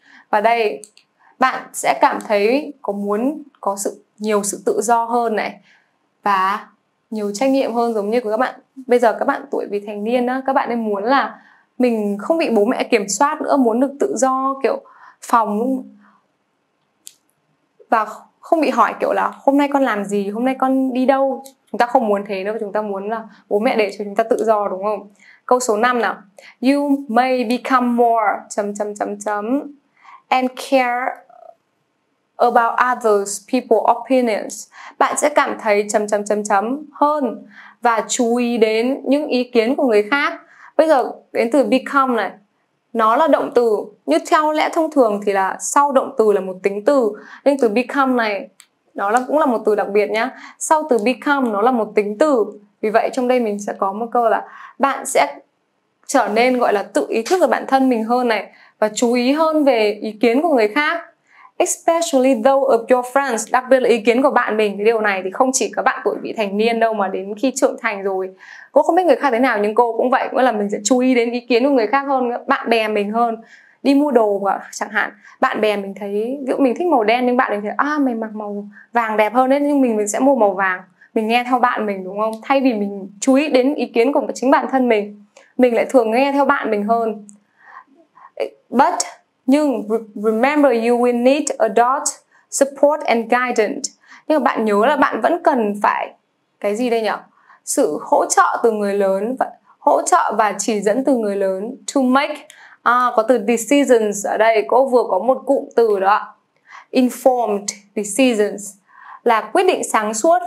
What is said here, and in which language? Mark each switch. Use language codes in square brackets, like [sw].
[vi] Và đây bạn sẽ cảm thấy có muốn có sự nhiều sự tự do hơn này, và nhiều trách nhiệm hơn, giống như của các bạn bây giờ, các bạn tuổi vị thành niên á, các bạn nên muốn là mình không bị bố mẹ kiểm soát nữa, muốn được tự do kiểu phòng và không bị hỏi kiểu là hôm nay con làm gì, hôm nay con đi đâu. Chúng ta không muốn thế nữa, chúng ta muốn là bố mẹ để cho chúng ta tự do đúng không? Câu số 5 nào. [en] You may become more [vi] chấm chấm chấm chấm [en] and care about others people opinions. [vi] Bạn sẽ cảm thấy chấm chấm chấm chấm hơn và chú ý đến những ý kiến của người khác. Bây giờ đến từ become này, nó là động từ. Như theo lẽ thông thường thì là sau động từ là một tính từ, nhưng từ become này nó cũng là một từ đặc biệt nhá. Sau từ become nó là một tính từ. Vì vậy trong đây mình sẽ có một câu là bạn sẽ trở nên gọi là tự ý thức về bản thân mình hơn này, và chú ý hơn về ý kiến của người khác. [en] Especially those of your friends. [vi] Đặc biệt là ý kiến của bạn mình. Cái điều này thì không chỉ các bạn tuổi vị thành niên đâu, mà đến khi trưởng thành rồi, cô không biết người khác thế nào, nhưng cô cũng vậy. Cũng là mình sẽ chú ý đến ý kiến của người khác hơn, bạn bè mình hơn. Đi mua đồ chẳng hạn, bạn bè mình thấy, ví dụ mình thích màu đen nhưng bạn mình thấy mày mặc màu vàng đẹp hơn ấy, nhưng mình sẽ mua màu vàng. Mình nghe theo bạn mình đúng không? Thay vì mình chú ý đến ý kiến của chính bản thân mình. mình lại thường nghe theo bạn mình hơn. [en] But, [vi] nhưng [en] remember you will need adult support and guidance. [vi] Nhưng mà bạn nhớ là bạn vẫn cần phải cái gì đây nhỉ? Sự hỗ trợ từ người lớn, hỗ trợ và chỉ dẫn từ người lớn. [en] To make, [vi] có từ decisions ở đây, cô vừa có một cụm từ đó. Informed decisions là quyết định sáng suốt.